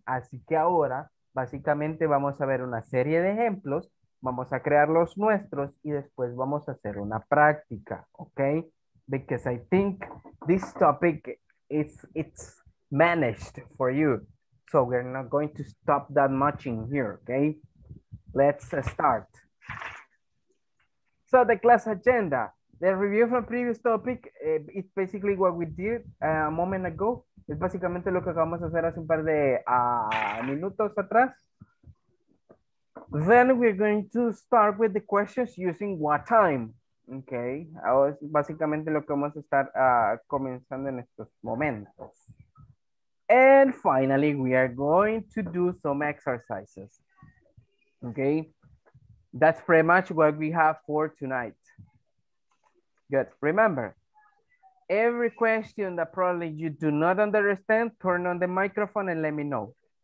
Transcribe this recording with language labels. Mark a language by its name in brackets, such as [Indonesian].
[Spanish] Así que ahora básicamente vamos a ver una serie de ejemplos, vamos a crear los nuestros y después vamos a hacer una práctica. [English] Okay. Because I think this topic is it's managed for you. So we're not going to stop that much in here, okay? Let's start. So the class agenda, the review from previous topic, it's basically what we did a moment ago. [Spanish] Es básicamente lo que acabamos de hacer hace un par de minutos atrás. [English] Then we're going to start with the questions using what time. [Spanish] Okay, ahora es básicamente lo que vamos a estar comenzando en estos momentos. [English] And finally, we are going to do some exercises. Okay, that's pretty much what we have for tonight. Good, remember, every question that probably you do not understand, turn on the microphone and let me know.